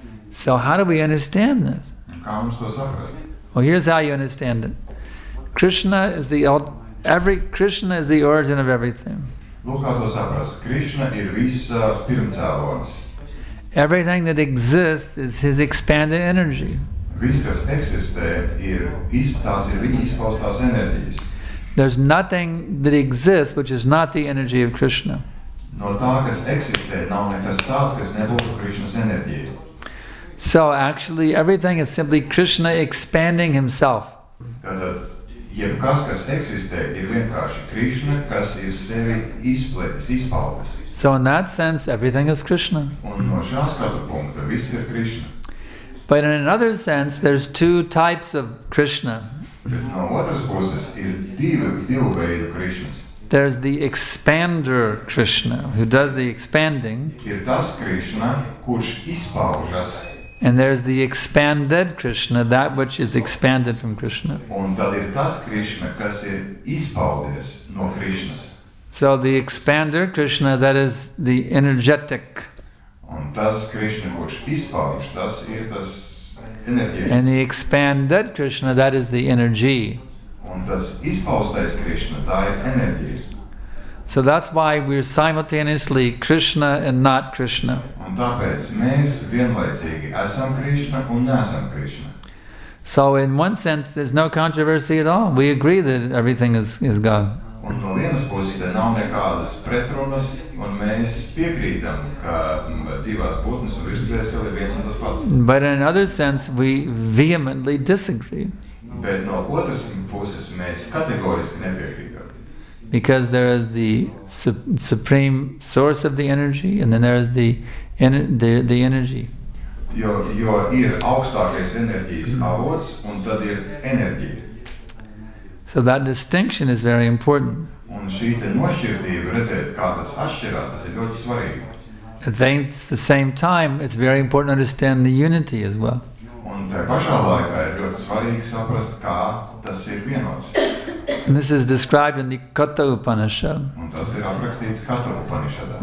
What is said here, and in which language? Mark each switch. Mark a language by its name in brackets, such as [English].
[English] So how do we understand this? Well, here's how you understand it. Krishna is the origin of everything. [Latvian] Lūk, kā to saprast. Krishna ir visa pirmcēlonis. [English] Everything that exists is his expanded energy. [Latvian] Viss, kas eksistē, ir viņa izpaustās enerģijas. [English] There's nothing that exists which is not the energy of Krishna. [Latvian] No tā, kas eksistē, nav nekas tāds, kas nebūtu Krishnas enerģija. [English] So actually everything is simply Krishna expanding himself. [Latvian] Jebkas, kas eksistē, ir vienkārši Krishna, kas ir sevi izplētis, izpaldis. [English] So in that sense, everything is Krishna. [Latvian] Un no šā skatu punkta, viss ir Krishna. [English] But in another sense, there's two types of Krishna. [Latvian] Bet no otras puses, ir divi veidi Krishnas. [English] There's the expander Krishna, who does the expanding. [Latvian] Ir tas Krishna, kurš izpaužas. [English] And there's the expanded Krishna, that which is expanded from Krishna. [Latvian] Un tad ir tas Krishna, kas ir izpaudies no Krishnas. [English] So the expander Krishna, that is the energetic. [Latvian] Un tas Krishna, kurš izpaudies, tas ir tas enerģija. [English] And the expanded Krishna, that is the energy. [Latvian] Un tas izpaustais Krishna, tā ir enerģija. [English] So that's why we're simultaneously Krishna and not Krishna. [Latvian] Un tāpēc mēs vienlaicīgi esam Krishna un neesam Krishna. [English] So in one sense there's no controversy at all. We agree that everything is God. [Latvian] Un no vienas puses te nav nekādas pretrunas un mēs piekrītam, ka dzīvās būtnes un visu dvēseli ir viens un tas pats. [English] But in another sense we vehemently disagree. [Latvian] Bet no otras puses mēs kategoriski nepiekrītam. [English] because there is the supreme source of the energy, and then there is the energy. [Latvian] Jo ir augstākais enerģijas avots, un tad ir enerģija. [English] So that distinction is very important. [Latvian] Un šī te nošķirtība, redzēt, kā tas atšķirās, tas ir ļoti svarīgi. [English] At the same time, it's very important to understand the unity as well. [Latvian] Un tajā pašā laikā ir ļoti svarīgi saprast, kā tas ir vienots. [English] This is described in the Katha Upanishad. [Latvian] Un tas ir aprakstīts Katha Upanishadā.